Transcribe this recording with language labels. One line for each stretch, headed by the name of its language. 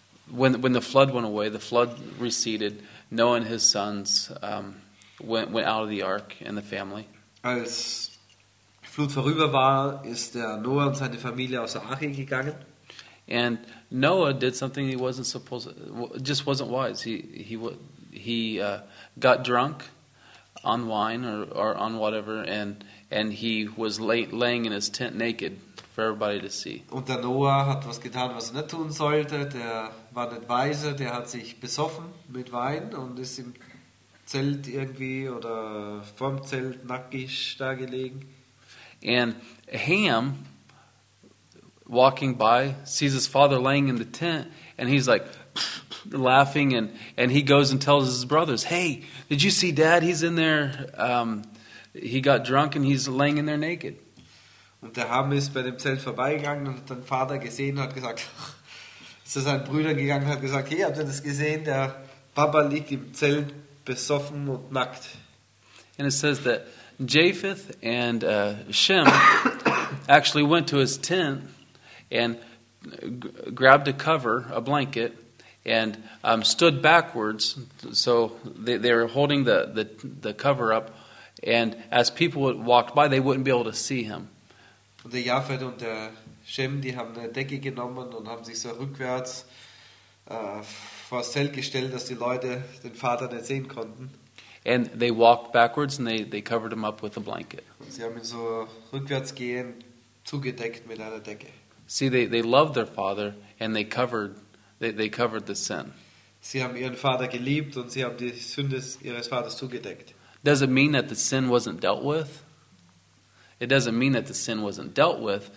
English: When the flood went away, the flood receded. Noah and his sons went out of the ark and the family.
German: Als Flut vorüber war, ist der Noah und seine Familie aus der Arche gegangen.
English: And Noah did something he wasn't supposed to, just wasn't wise. He got drunk, on wine or on whatever, and he was laying in his tent naked for everybody to see.
German: Und der Noah hat was getan, was er nicht tun sollte. Der war nicht weise, der hat sich besoffen mit Wein und ist im Zelt irgendwie oder vorm Zelt nackig da gelegen.
English: And Ham, walking by, sees his father laying in the tent, and he's like laughing, and he goes and tells his brothers, "Hey, did you see Dad? He's in there. He got drunk and he's laying in there naked."
German: Und der Ham ist bei dem Zelt vorbeigegangen und hat den Vater gesehen und hat gesagt, zu seinen Brüdern gegangen und hat gesagt, "Hey, habt ihr das gesehen? Der Papa liegt im Zelt besoffen und nackt."
English: And it says that Japheth and Shem actually went to his tent and grabbed a cover, a blanket, and stood backwards. So they were holding the cover up, and as people walked by, they wouldn't be able to see him.
German: Und der Japheth und der Shem, die haben eine Decke genommen und haben sich so rückwärts vor das Zelt gestellt, dass die Leute den Vater nicht sehen konnten.
English: And they walked backwards, and they covered him up with a blanket.
German: Sie haben ihn so rückwärts gehen, zugedeckt mit einer Decke.
English: See, they loved their father, and they covered the sin.
German: Sie haben ihren Vater geliebt, und sie haben die Sünde ihres Vaters zugedeckt.
English: Does it mean that the sin wasn't dealt with? It doesn't mean that the sin wasn't dealt with.